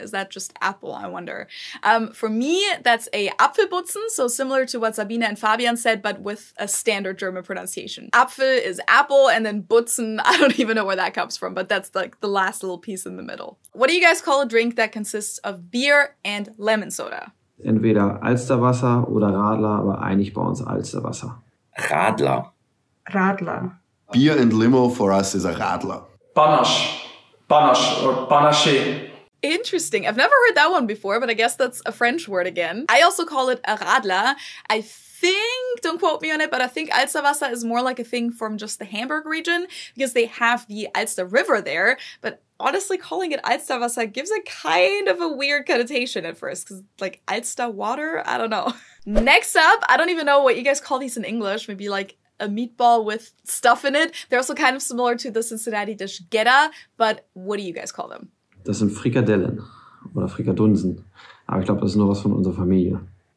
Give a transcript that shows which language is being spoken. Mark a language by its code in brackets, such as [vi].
[en] Is that just apple, I wonder. For me, that's a Apfelputzen, so similar to what Sabine and Fabian said, but with a standard German pronunciation. Apfel is apple, and then Butzen, I don't even know where that comes from, but that's like the last little piece in the middle. What do you guys call a drink that consists of beer and lemon soda? [de] Entweder Alsterwasser oder Radler, aber eigentlich bei uns Alsterwasser. Radler. Radler. [en] Beer and limo for us is a Radler. [fr] Panache. Panache or Panache. [en] Interesting. I've never heard that one before, but I guess that's a French word again. I also call it a Radler. I think, don't quote me on it, but I think Alsterwasser is more like a thing from just the Hamburg region because they have the Alster River there. But honestly, calling it Alsterwasser gives a kind of a weird connotation at first because like Alster water, I don't know. Next up, I don't even know what you guys call these in English. Maybe like a meatball with stuff in it. They're also kind of similar to the Cincinnati dish Gedda, but what do you guys call them? [de] Das sind Frikadellen oder Frikadunsen. Aber ich glaube, das ist nur was von unserer Familie.